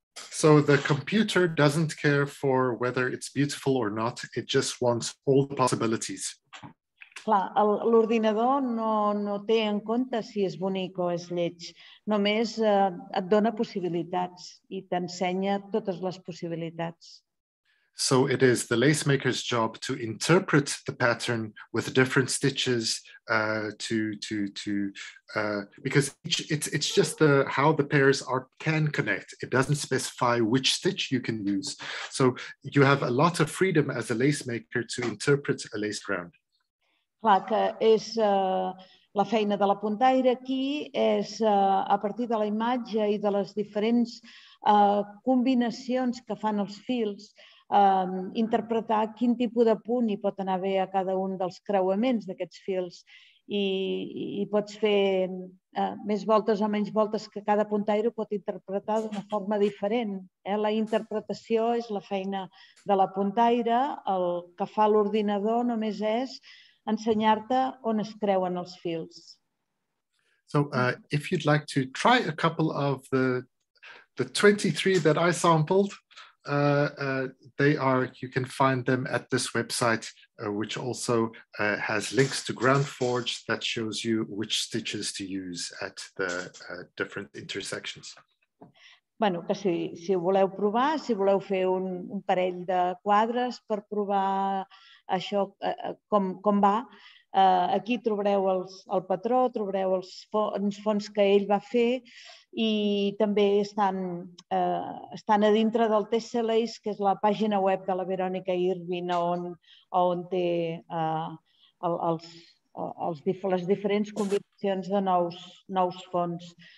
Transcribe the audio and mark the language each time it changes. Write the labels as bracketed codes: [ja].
[en] So the computer doesn't care for whether it's beautiful or not. It just wants all the possibilities. [ca] Clar, l'ordinador no té en compte si és bonic o és lleig. Només et dona possibilitats i t'ensenya totes les possibilitats. [en] So it is the lace maker's job to interpret the pattern with different stitches because it's just the how the pairs can connect. It doesn't specify which stitch you can use. So you have a lot of freedom as a lace maker to interpret a lace ground. [ca] Clar, que és la feina de la puntaire aquí, és a partir de la imatge i de les diferents combinacions que fan els fils, interpretar quin tipus de punt hi pot anar bé a cada un dels creuaments d'aquests fils i pots fer més voltes o menys voltes que cada puntaire ho pot interpretar d'una forma diferent. La interpretació és la feina de la puntaire, el que fa l'ordinador només és ensenyar-te on es creuen els fils. [en] So, if you'd like to try a couple of the 23 that I sampled, you can find them at this website, which also has links to GroundForge that shows you which stitches to use at the different intersections. [ca] Bueno, que si voleu provar, si voleu fer un parell de quadres per provar això com va, aquí trobareu el patró, trobareu els fons que ell va fer i també estan a dintre del TCLAs, que és la pàgina web de la Verònica Irvin, on té les diferents combinacions de nous fons.